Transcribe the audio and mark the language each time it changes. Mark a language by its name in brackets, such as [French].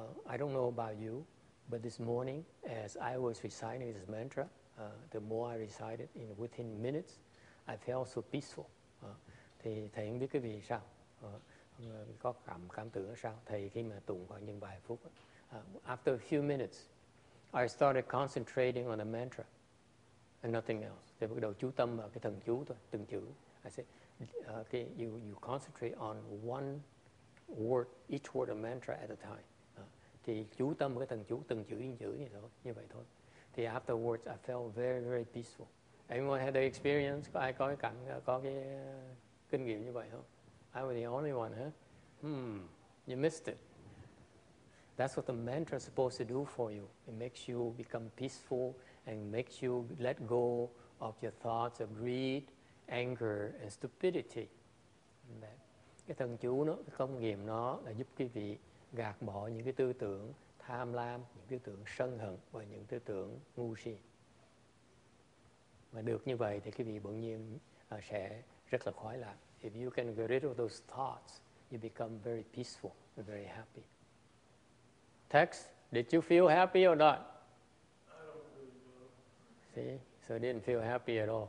[English] I don't know about you, but this morning, as I was reciting this mantra, the more I recited in within minutes, I felt so peaceful. [Vietnamese] Thì thầy không biết cái vì sao, có cảm tưởng sao. Thầy khi mà tụng khoảng những vài phút, [English] after a few minutes, I started concentrating on the mantra and nothing else. [Vietnamese] Thì bắt đầu chú tâm vào cái thần chú thôi, từng chữ. [English] I said, okay, you concentrate on one word, each word of mantra at a time. [Vietnamese] Thì chú tâm cái thần chú, từng chữ, như thôi, như vậy thôi. Thì [English] afterwards, I felt very, very peaceful. Anyone had the experience? [Vietnamese] Ai có cái kinh nghiệm như vậy không? [English] I was the only one, huh? You missed it. That's what the mantra is supposed to do for you. It makes you become peaceful and makes you let go of your thoughts of greed, anger, and stupidity. [Vietnamese] Cái thần chú nó, cái công nghiệm nó là giúp quý vị gạt bỏ những cái tư tưởng tham lam, những cái tư tưởng sân hận và những tư tưởng ngu si. Mà được như vậy thì quý vị bỗng nhiên sẽ rất là khoái lạc. [English] If you can get rid of those thoughts, you become very peaceful and very happy. Text, did you feel happy or not? I don't really know. See, so you didn't feel happy at all.